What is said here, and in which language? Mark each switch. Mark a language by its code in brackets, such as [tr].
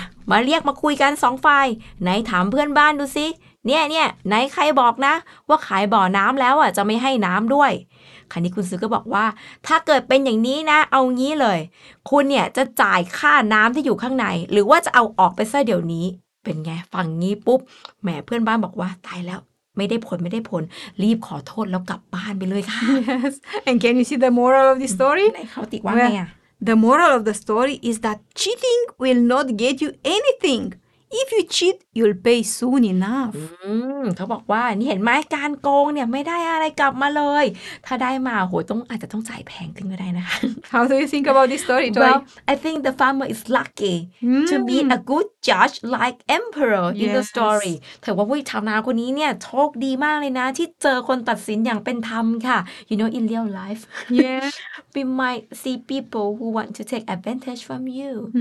[th] มาเรียกมาคุยกันสองฝ่ายไหนถามเพื่อนบ้านดูสิเนี่ยไหนใครบอกนะว่าขายบ่อน้ำแล้วอ่ะจะไม่ให้น้ำด้วยคราวนี้คุณซื้อก็บอกว่าถ้าเกิดเป็นอย่างนี้นะเอางี้เลยคุณเนี่ยจะจ่ายค่าน้ำที่อยู่ข้างในหรือว่าจะเอาออกไปซะเดี๋ยวนี้เป็นไงฟังงี้ปุ๊บแหมเพื่อนบ้านบอกว่าตายแล้วไม่ได้ผลรีบขอโทษแล้วกลับบ้านไปเลยค่ะ [en] Yes and can you see the moral of the story [th] ในเขาติว่าไง [en] The moral of the story is that cheating will not get you anythingIf you cheat, you'll pay soon enough. [th] เขาบอกว่านี่เห็นไหมการโกงเนี่ยไม่ได้อะไรกลับมาเลยถ้าได้มาโหต้องอาจจะต้องจ่ายแพงขึ้นก็ได้นะคะ [en] How do you think about this story, Joy? Well, I think the farmer is lucky to meet a good judge like emperor in the story. [th] เธอว่าชาวนาคนนี้เนี่ยโชคดีมากเลยนะที่เจอคนตัดสินอย่างเป็นธรรมค่ะ [en] You know, in real life, we might see people who want to take advantage from you.